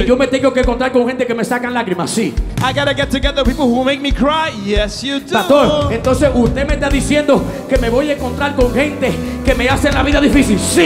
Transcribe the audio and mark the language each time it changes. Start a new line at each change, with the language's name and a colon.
Spanish: que yo me tengo que encontrar con gente que me sacan lágrimas, sí.
English: I gotta get together with people who make me cry. Yes, you do.
Spanish: Pastor, entonces usted me está diciendo que me voy a encontrar con gente que me hace la vida difícil, sí.